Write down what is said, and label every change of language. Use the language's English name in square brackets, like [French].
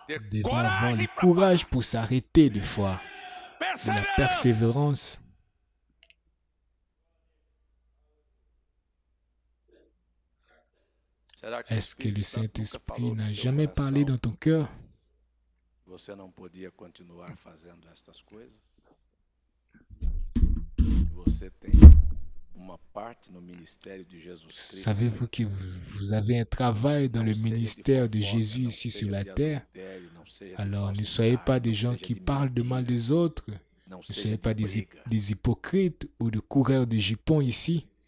[French] Devant avoir le courage pour s'arrêter de foi, de la persévérance. Est-ce que le Saint-Esprit n'a jamais parlé dans ton cœur? [Portuguese] Você não podia continuar fazendo estas coisas? Você tem uma parte no ministério de Jesus Cristo. [French] Savez-vous que vous avez un travail dans le ministère de Jésus ici sur la terre? Alors ne soyez pas des gens qui parlent de mal des autres. Ne soyez pas des hypocrites ou de coureurs de jupons ici.